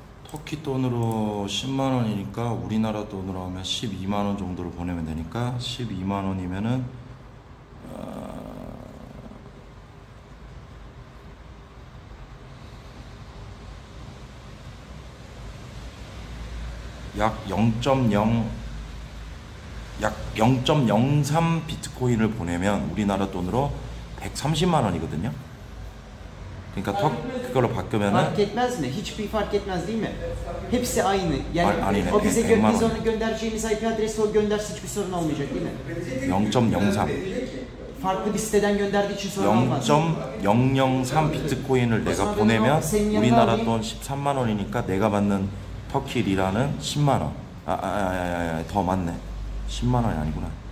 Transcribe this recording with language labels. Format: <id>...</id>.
<ko>터키 돈으로 10만 원이니까 우리나라 돈으로 하면 12만 원 정도를 보내면 되니까 12만 원이면은 약 0.03 비트코인을 보내면 우리나라 돈으로 130만 원이거든요. 그러니까 턱 그걸로 바꾸면은</ko> <tr>fark etmez mi? Hiçbir fark etmez değil mi? Hepsi aynı. Yani aynen, o bize biz onu göndereceğimiz IP adresi o gönderse hiçbir sorun olmayacak değil mi? 0.03 farklı bir siteden gönderdiği için sorun olmaz.</tr> <ko>0.003 비트코인을 내가 보내면 우리나라 돈 13만 원이니까 내가 받는 터키 리라는 10만 원. 더 맞네. 10만 원이 아니구나.</ko>